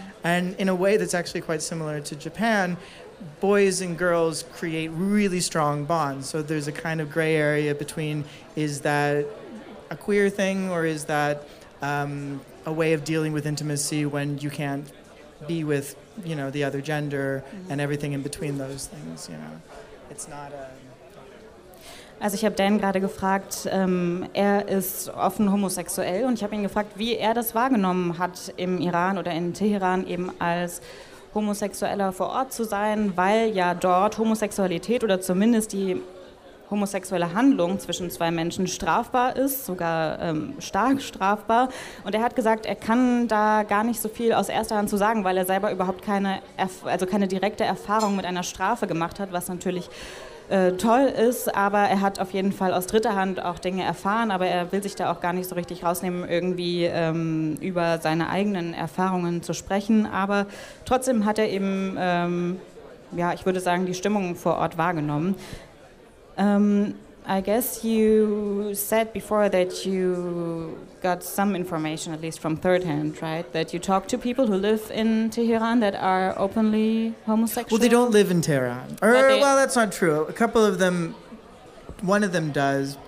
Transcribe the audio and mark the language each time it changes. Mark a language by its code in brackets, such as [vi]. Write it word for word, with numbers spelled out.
[en] and in a way that's actually quite similar to Japan. Boys and girls create really strong bonds, so there's a kind of gray area between, is that a queer thing or is that um, a way of dealing with intimacy when you can't be with, you know, the other gender mm-hmm. and everything in between those things, you know. It's not a... [de] Also ich habe Dan gerade gefragt, ähm, er ist offen homosexuell und ich habe ihn gefragt, wie er das wahrgenommen hat, im Iran oder in Teheran eben als Homosexueller vor Ort zu sein, weil ja dort Homosexualität oder zumindest die homosexuelle Handlung zwischen zwei Menschen strafbar ist, sogar ähm, stark strafbar. Und er hat gesagt, er kann da gar nicht so viel aus erster Hand zu sagen, weil er selber überhaupt keine, erf- also keine direkte Erfahrung mit einer Strafe gemacht hat, was natürlich äh, toll ist, aber er hat auf jeden Fall aus dritter Hand auch Dinge erfahren, aber er will sich da auch gar nicht so richtig rausnehmen, irgendwie ähm, über seine eigenen Erfahrungen zu sprechen. Aber trotzdem hat er eben, ähm, ja, ich würde sagen, die Stimmung vor Ort wahrgenommen. [en] Um, I guess you said before that you got some information, at least from third hand, right? That you talk to people who live in Tehran that are openly homosexual? Well, they don't live in Tehran. Or, they, well, that's not true. A couple of them, one of them does.